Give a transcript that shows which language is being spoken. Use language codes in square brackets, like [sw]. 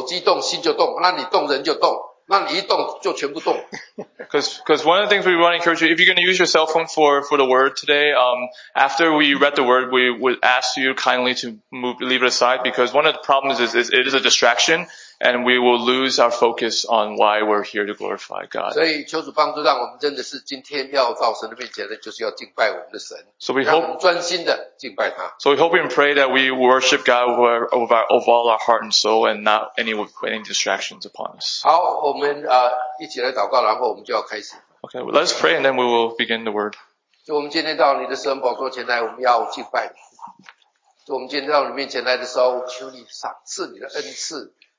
[zh] 特别等一下，如果你看手机的圣经以后，就把它关掉。你知道为什么吗？因为你手机动，心就动，那你动人就动。那你一动就全部动。 [en] Because one of the things we want to encourage you, if you're going to use your cell phone for the word today, after we read the word, we would ask you kindly to leave it aside because one of the problems is it is a distraction and we will lose our focus on why we're here to glorify God. [zh] 所以求主帮助，让我们真的是今天要到神的面前的，就是要敬拜我们的神。So [en] we hope [zh] 专心的敬拜他。 [en] So we hope and pray that we worship God with all our heart and soul and not any distractions upon us. [zh] 好，我们一起来祷告，然后我们就要开始。 [en] Okay, well, let's pray and then we will begin the word. [zh] 就我们今天到你的圣宝座前来，我们要敬拜你。就我们今天到你面前来的时候，求你赏赐你的恩赐。